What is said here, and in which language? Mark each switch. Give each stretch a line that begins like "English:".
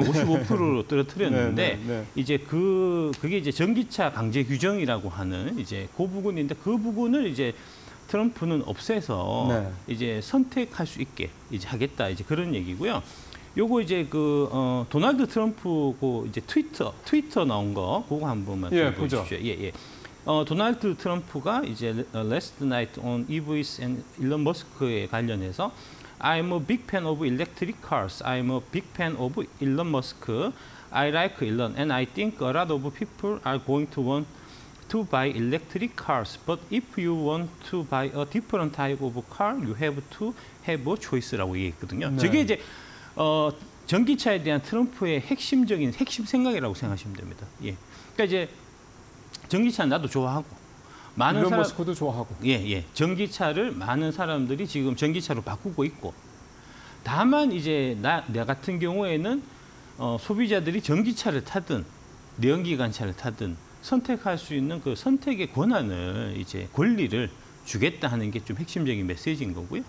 Korean: 55%로 떨어뜨렸는데 네, 네, 네. 이제 그게 이제 전기차 강제 규정이라고 하는 이제 그 부분인데 그 부분을 이제 트럼프는 없애서 네. 이제 선택할 수 있게 이제 하겠다 이제 그런 얘기고요. 요거 이제 그 도널드 트럼프 고 이제 트위터 나온 거 그거 한 번만 예, 보여 주시죠. 예 예. 도널드 트럼프가 이제
English: last night on EVs and Elon Musk에
Korean: 관련해서
English: I'm a big fan of electric cars. I'm a big fan of Elon Musk. I like Elon and I think a lot of people are going to want to buy electric cars. But if you want to buy a different type of car, you have to have a choice
Korean: 라고 얘기했거든요. 네. 저게 이제 전기차에 대한 트럼프의 핵심적인 핵심 생각이라고 생각하시면 됩니다. 예. 그러니까 이제 전기차는 나도 좋아하고 많은 사람 머스크도 좋아하고. 예, 예. 전기차를 많은 사람들이 지금 전기차로 바꾸고 있고. 다만 이제 내 같은 경우에는 소비자들이 전기차를 타든 내연기관차를 타든 선택할 수 있는 그 선택의 권한을 이제 권리를 주겠다 하는 게 좀 핵심적인 메시지인 거고요.